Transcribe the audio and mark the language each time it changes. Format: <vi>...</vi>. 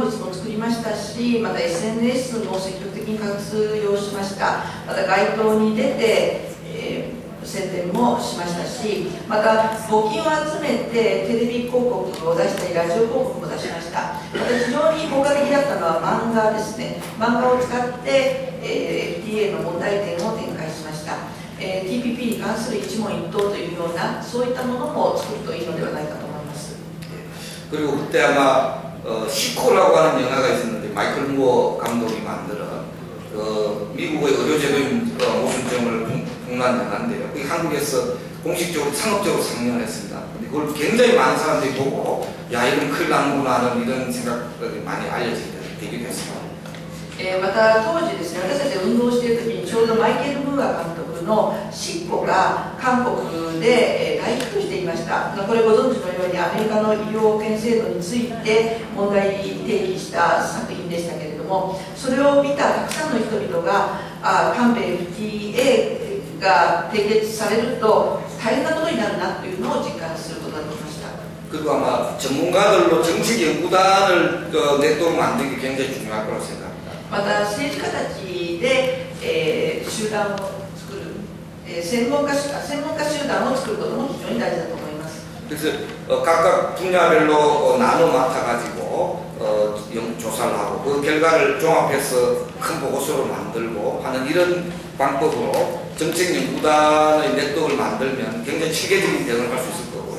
<ja>私たちはさまざまな出版物も作りましたし、また SNS も積極的に活用しました。また街頭に出て宣伝もしましたし、また募金を集めてテレビ広告を出したりラジオ広告も出しました。また非常に効果的だったのは漫画ですね。漫画を使って FTA の問題点を展開しました。TPPに関する一問一答というようなそういったものも作るといいのではないかと。</ja> <ko>그리고 그때 아마 시코라고 하는 영화가 있었는데 마이클 무어 감독이 만든 미국의 의료제도의 모순점을 폭로한 영화인데요. 그게 한국에서 공식적으로 상업적으로 상영을 했습니다. 근데 그걸 굉장히 많은 사람들이 보고 야 이건 큰일 났구나 하는 이런 생각이 많이 알려지게 되기도 했습니다.</ko> <ja>また 当時ですね、私たち運動している時にちょうどマイケル・ムーア監督のシッコが韓国で大ヒットしていました。これご存知のようにアメリカの医療保険制度について問題提起した作品でしたけれども、それを見たたくさんの人々が韓米FTAが締結されると大変なことになるなというのを実感することができました。</ja> <ko>그리고 아마 전문가들로 정책 연구단을 내도록 만드는 게 굉장히 중요할 거라고 생각합니다. 맞아, 정치가</ko> <ja>たちで 集団を作る 専門家集団を作ることも 非常に大事だと思います.</ja> <ko>그래서 각각 분야별로 나눠 맡아가지고 조사를 하고 그 결과를 종합해서 큰 보고서로 만들고 하는 이런 방법으로 정책 연구단의 네트워크를 만들면 굉장히 체계적인 대응을 할 수 있을 거고요.</ko>